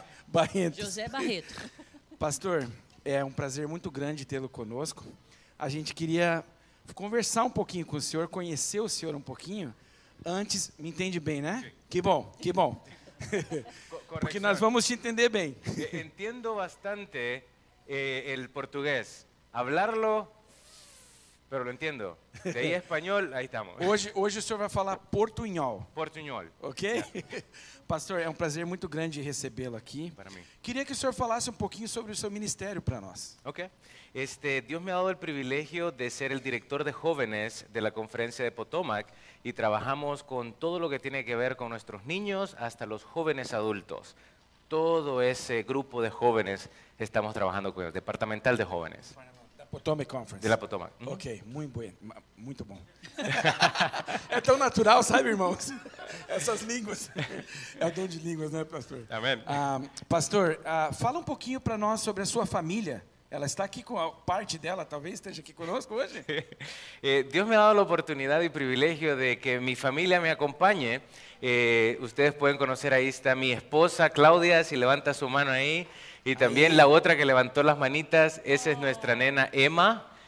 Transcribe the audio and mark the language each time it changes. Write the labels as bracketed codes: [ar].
[pt] Barrientos. José Barreto. Pastor, é um prazer muito grande tê-lo conosco. A gente queria conversar um pouquinho com o senhor, conhecer o senhor um pouquinho, antes, me entende bem, né? Sim. Que bom, que bom. Porque nós vamos te entender bem. [es] Entendo bastante el portugués. Hablarlo, pero lo entiendo. De ahí español, ahí estamos. [pt] Hoje o senhor vai falar portunhol. Portunhol. Ok? Pastor, é um prazer muito grande recebê-lo aqui. Para mim. Queria que o senhor falasse um pouquinho sobre o seu ministério para nós. Ok. [es] Dios me ha dado el privilegio de ser el director de jóvenes de la conferencia de Potomac y trabajamos con todo lo que tiene que ver con nuestros niños hasta los jóvenes adultos. Todo ese grupo de jóvenes estamos trabajando con el departamental de jóvenes. [en] Potomac Conference. [es] De la Potomac. Mm-hmm. Ok, muy bien, muy bien. Es tan natural, ¿sabes, hermanos? Esas lenguas. Es el don de lenguas, ¿no, pastor? Amén. Pastor, fala un poquito para nosotros sobre su familia. [pt] Ela está aqui com a parte dela, talvez esteja aqui conosco hoje. Deus [es] me ha dado [pt] a oportunidade e privilégio de que minha família me acompanhe. Ustedes podem conhecer, aí está minha esposa, Claudia, se levanta sua mão aí. E também a outra que levantou as manitas, essa é nossa nena, Emma.